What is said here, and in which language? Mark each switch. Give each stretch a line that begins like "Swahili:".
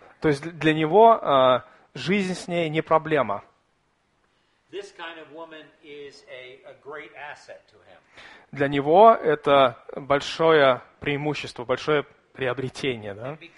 Russian: То есть для него жизнь с ней не проблема.
English: This kind of woman is a great asset to him.
Russian: для него это большое преимущество, большое приобретение. Да?